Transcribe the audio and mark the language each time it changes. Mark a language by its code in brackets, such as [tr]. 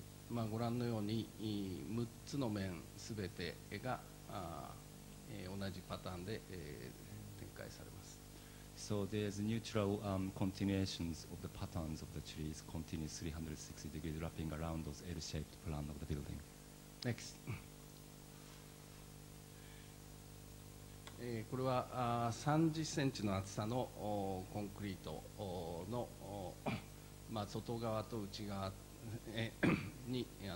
[ja] まあご覧のように6つの面すべてが同じパターンで展開されます。 [en] So there's neutral continuations of the patterns of the trees, continuous 360 degrees wrapping around those L-shaped plan of the building. Next. [ja] これは30センチの厚さのコンクリートの、まあ、外側と内側に